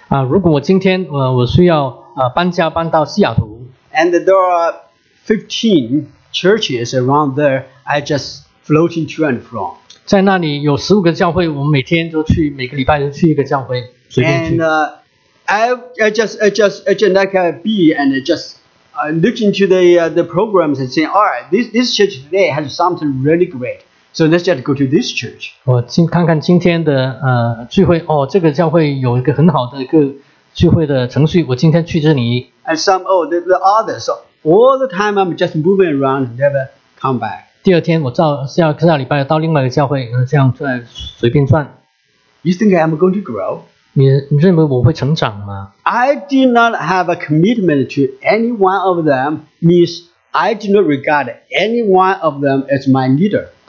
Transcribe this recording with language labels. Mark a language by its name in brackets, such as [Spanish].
[Chinese] 如果我今天, 我需要, 搬家搬到西雅图。 [English] And there are 15 churches around there, I just floating to and from. [Chinese] 在那里有15个教会, 我每天都去, 每个礼拜都去一个教会, 随便去。 [English] And I just like a bee and just, look into the programs and say, all right, this church today has something really great. So let's just go to this church. [Chinese] 我看看今天的聚会, 这个教会有一个很好的一个, 聚会的程序，我今天去这里。 [English] And some, oh, the others, so all the time I'm just moving around, never come back. [Chinese] 第二天我照下礼拜到另外一个教会，这样在随便转。 [English] You think I'm going to grow? [Chinese] 你认为我会成长吗 [English] ？I did not have a commitment to any one of them. Means I do not regard any one of them as my leader.